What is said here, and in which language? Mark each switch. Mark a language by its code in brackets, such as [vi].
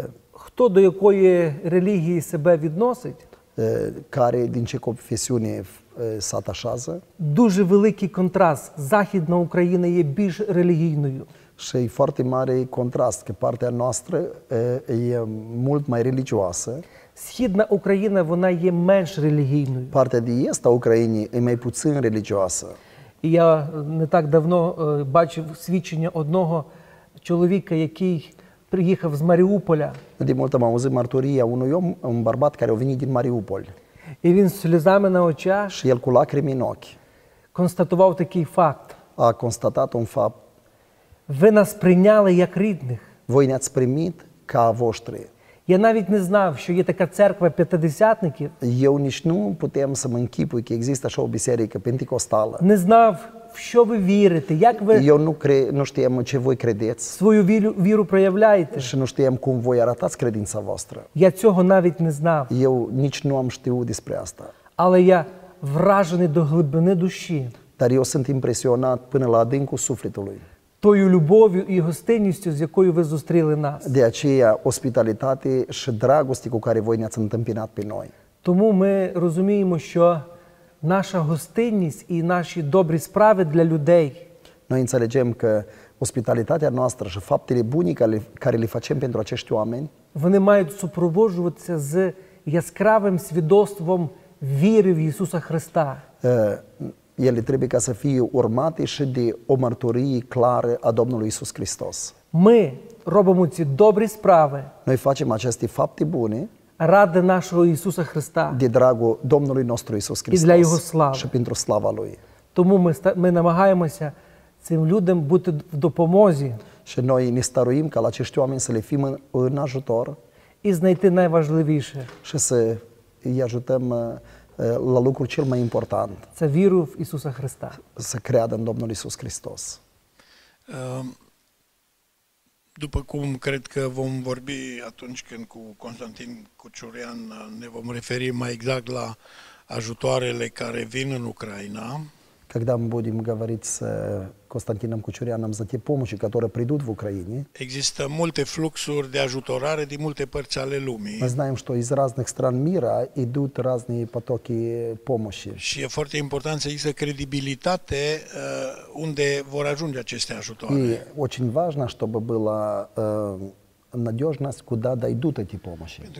[uk] Хто до якої релігії себе відносить? [ro] Care din ce confesiune se atașează. [uk] Дуже великий контраст. Західна Україна є більш релігійною. [ro] Și e foarte mare contrast, că partea noastră e mult mai religioasă. [uk] Східна Україна, вона є менш релігійною. [ro] Partea de est a Ucrainei e mai puțin religioasă. [uk] І я не так давно бачив свідчення одного чоловіка, який приїхав з Маріуполя. [ro] De mult am auzit marturia unui om, un bărbat care a venit din Mariupol. [uk] І він слізами на очах, [ro] el cu lacrimi în ochi, [uk] констатував такий факт. [ro] A constatat un fapt. [uk] Ви нас прийняли як рідних. [ro] Voi ne-ați primit ca voștri. [uk] Я навіть не знав, що є така церква п'ятидесятників. [ro] Eu nici nu putem să mă închipui că există așa o biserică pentecostală. [uk] Не знав, в що ви вірите, як ви... [ro] Eu nu știam ce voi credeți. [uk] Свою віру проявляєте. [ro] Și nu știam cum voi arătați credința voastră. [uk] Я цього навіть не знав. [ro] Eu nici nu am știut despre asta. [uk] Але я вражений до глибини душі. [ro] Dar eu sunt impresionat până la adâncul sufletului. [uk] Тою любов'ю і гостинністю, з якою ви зустріли нас. [ro] De aceea ospitalitate și dragoste cu care voi ne-ați întâmpinat pe noi. [uk] Тому ми розуміємо, що наша гостинність і наші добрі справи для людей. [ro] Noi înțelegem că ospitalitatea noastră și faptele bune care le facem pentru acești oameni, [uk] вони мають супроводжуватися з яскравим свідоцтвом віри в Ісуса Христа. [ro] Ele trebuie ca să fie urmate și de o mărturie clară a Domnului Iisus Hristos. [uk] Ми робимо ці добрі справи. [ro] Noi facem aceste fapte bune. [uk] Ради нашого Ісуса Христа. [ro] De dragul Domnului nostru Iisus Hristos. [uk] І для Його слави. [ro] Și pentru slava Lui. [uk] Тому ми намагаємося цим людям бути в допомозі. [ro] Și noi ne staruim ca la acești oameni să le fim în ajutor. [uk] І знайти найважливіше. [ro] Și să îi ajutăm la lucrul cel mai important. [uk] Це віру в Ісуса Христа. [ro] Să creadă în Domnul Iisus Hristos. După cum cred că vom vorbi atunci când cu Constantin Cuciurean ne vom referi mai exact la ajutoarele care vin în Ucraina. [ru] Когда мы будем говорить с Константином Кучуряном за те помощи, которые придут в Украине, [ro] există multe fluxuri de ajutorare din multe părți ale lumii. [ru] Мы знаем, что из разных стран мира идут разные потоки помощи. [ro] Și e foarte important să există credibilitate unde vor ajunge aceste ajutoare. [ru] И очень важно, чтобы была надежность, куда дойдут эти помощи.